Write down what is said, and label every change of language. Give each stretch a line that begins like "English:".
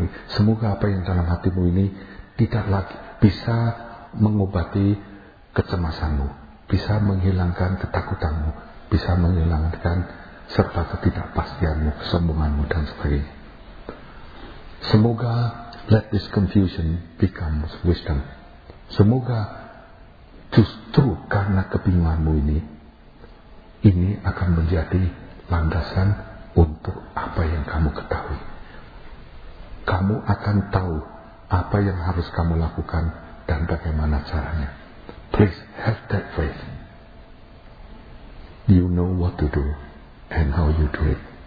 Indonesian: Semoga apa yang dalam hatimu ini tidak lagi bisa mengobati kecemasanmu, bisa menghilangkan ketakutanmu, bisa menghilangkan serta ketidakpastianmu, kesombonganmu, dan sebagainya. Semoga
English: let this confusion become wisdom.
Indonesian: Semoga justru karena kebingunganmu ini akan menjadi landasan untuk apa yang kamu ketahui. Kamu akan tahu apa yang harus kamu lakukan dan bagaimana caranya.
English: Please have that faith. You know what to do and how you do it.